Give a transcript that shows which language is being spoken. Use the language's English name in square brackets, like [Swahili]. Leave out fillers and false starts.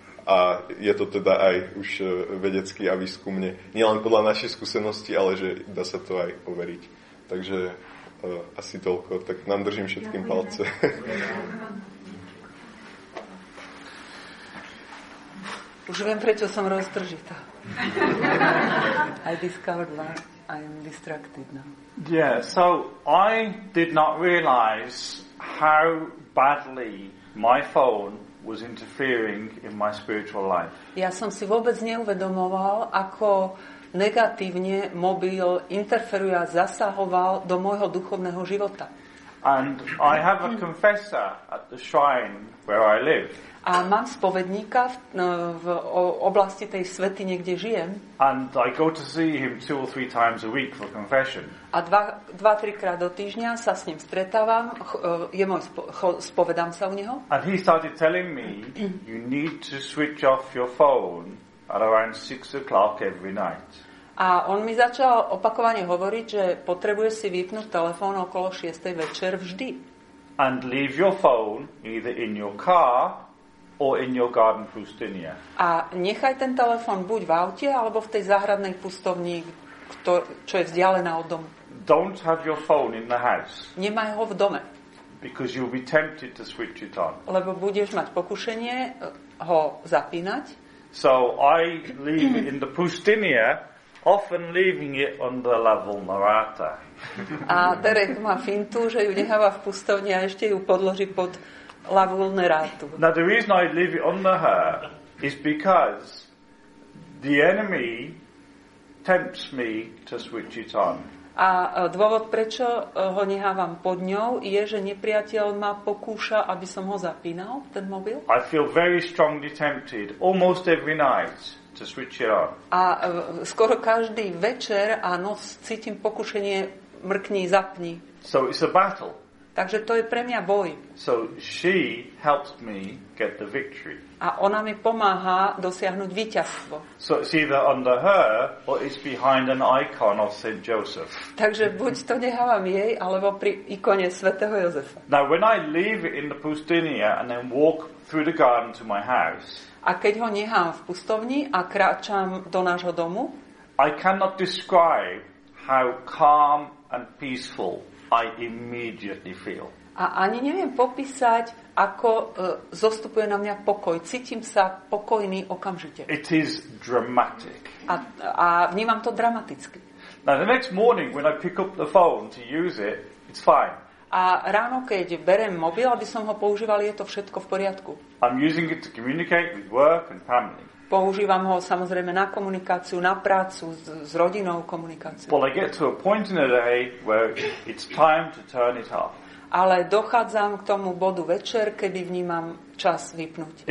[Slovak] A je to teda aj už vedecký a výskumne. Nie len podľa našej skúsenosti, ale že dá sa to aj overiť. Takže asi toľko. Tak nám držím všetkým palce. Už viem, prečo som roztržitá. [English] I discovered why I am distracted now. Yeah, so I did not realize how badly my phone was interfering in my spiritual life. [Slovak] Ja som si vôbec neuvedomoval, ako negatívne mobil interferuje a zasahoval do môjho duchovného života. [English] And I have a confessor at the shrine where I live. [Slovak] A mám spovedníka v oblasti tej svätyne, kde žijem. [English] And I go to see him 2 or 3 times a week for confession. [Slovak] A 2-3 krát do týždňa sa s ním stretávam, spovedám sa u neho. [English] And he started telling me, you need to switch off your phone at around 6 o'clock every night. [Slovak] A on mi začal opakovane hovoriť, že potrebuje si vypnúť telefón okolo 6. večer vždy. [English] And leave your phone either in your car or in your garden pustinia. [Slovak] A nechaj ten telefón buď v aute, alebo v tej záhradnej pustovni, čo je vzdialená od domu. [English] Don't have your phone in the house. [Slovak] Nemaj ho v dome. [English] Because you'll be tempted to switch it on. [Slovak] Lebo budeš mať pokušenie ho zapínať. [English] So I leave in the pustinia, often leaving it on the level Marata. [Slovak] A Derek má fintu, že ju necháva v pustovni a ešte ju podloží pod level Neratu. [English] Now the reason I leave it under her is because the enemy tempts me to switch it on. [Slovak] A dôvod, prečo ho nehávam pod ňou, je, že nepriateľ ma pokúša, aby som ho zapínal, ten mobil. [English] I feel very strongly tempted almost every night to switch it on. [Slovak] A skoro každý večer a noc cítim pokušenie mrkni, zapni. [English] So it's a battle. [Slovak] Takže to je pre mňa boj. [English] So she helps me get the victory. [Slovak] A ona mi pomáha dosiahnuť víťazstvo. [English] So it's either under her or it's behind an icon of Saint Joseph. [Slovak] Takže buď to nechávam jej, alebo pri ikone svätého Jozefa. [English] Now when I leave it in the pustinia and then walk through the garden to my house. [Slovak] A keď ho nechám v pustovni a kráčam do nášho domu? [English] I cannot describe how calm and peaceful I immediately feel. [Slovak] A ani neviem popísať, ako zostupuje na mňa pokoj. Cítim sa pokojný okamžite. [English] It is dramatic. [Slovak] A vnímam to dramaticky. [English] Now the next morning when I pick up the phone to use it, it's fine. [Slovak] A ráno keď berem mobil, aby som ho používal, je to všetko v poriadku. [English] I'm using it to communicate with work and family. [Slovak] Používam ho samozrejme na komunikáciu, na prácu, s rodinou komunikáciu. [English] But I get to a point in the day where it's time to turn it off. [Slovak] Ale dochádzam k tomu bodu večer, kedy vnímam čas vypnúť.